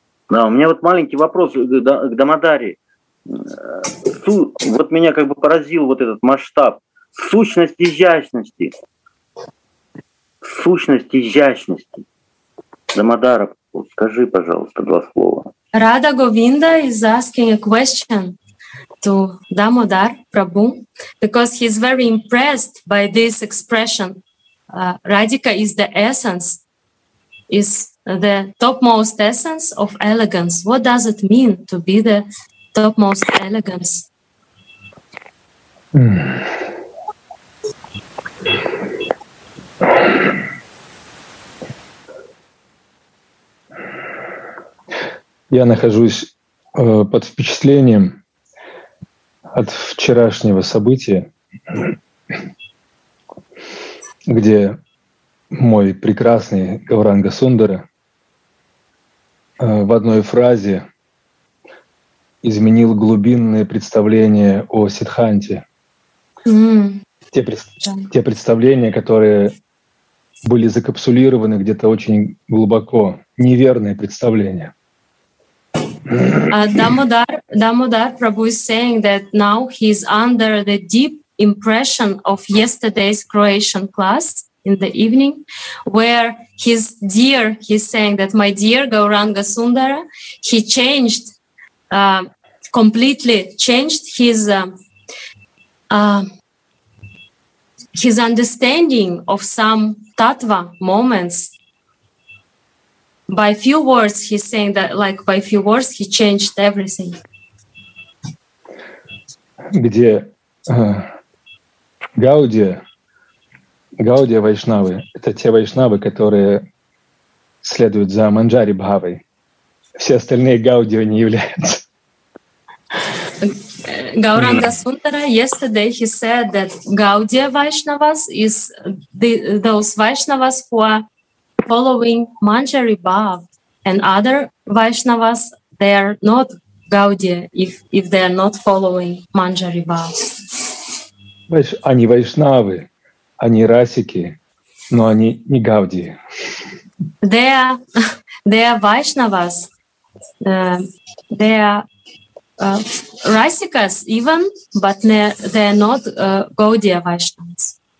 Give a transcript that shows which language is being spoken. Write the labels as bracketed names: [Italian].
[Russian] Да, у меня вот маленький вопрос к Дамодаре. Вот меня как бы поразил вот этот масштаб. Сущность изящности. Сущность изящности. Дамодара, скажи, пожалуйста, два слова. [English] Radha Govinda is asking a question to Damodar Prabhu because he's very impressed by this expression. Radhika is the essence, is the topmost essence of elegance. What does it mean to be the topmost elegance? [Russian] Я нахожусь под впечатлением от вчерашнего события, где мой прекрасный Гавранга Сундара в одной фразе изменил глубинное представление о Сиддханте. Те представления, которые были закапсулированы где-то очень глубоко, неверные представления. [English] Damodar Prabhu is saying that now he is under the deep impression of yesterday's Croatian class in the evening, where his dear, he's saying that my dear Gauranga Sundara, he changed, completely changed his understanding of some tattva moments. By few words, he's saying that, like, by few words, he changed everything. [Russian] Где Гаудия Вайшнавы, это те Вайшнавы, которые следуют за Манджари Бхавой. Все остальные Гаудия не являются. [English] Gauranga Sundara, yesterday he said that Gaudiya Vaishnavas is those Vaishnavas who are following Manjari Bhav, and other Vaishnavas, they are not Gaudiya if they are not following Manjari Bhav. [Russian] Они Вайшнавы, они расики, но они не Гаудии. [English] They are Vaishnavas. They are Rasikas even, but they are not Gaudiya Vaishnavas.